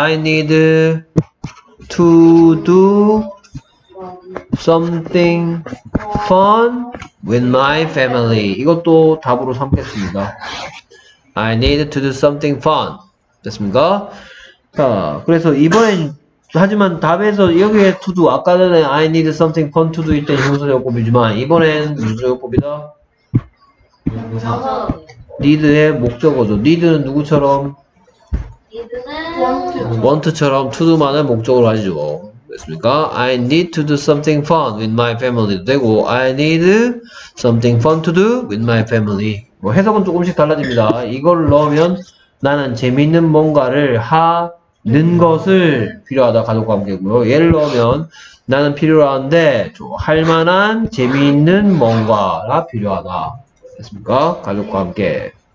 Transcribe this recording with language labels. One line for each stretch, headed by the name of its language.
English: I need to do something fun with my family.
Korean: 이것도 답으로 삼겠습니다.
English: I need to do something fun.
Korean: 됐습니까? 자, 그래서 이번엔 하지만 답에서 여기에 to do 아까 전에
English: I need something fun to do
Korean: 이때 형용사용법이지만 이번엔 무슨 용법이다? 니드의 목적어죠. 니드는 누구처럼? 니드는 want처럼 to do만을 목적으로 하죠. 됐습니까?
English: I need to do something fun with my family.
Korean: 되고
English: I need something fun to do with my family.
Korean: 뭐 해석은 조금씩 달라집니다. 이걸 넣으면 나는 재밌는 뭔가를 하는 것을 필요하다 가족과 함께고요. 얘를 넣으면 나는 필요한데 할 만한 재미있는 뭔가가 필요하다. 됐습니까? 가족과 함께.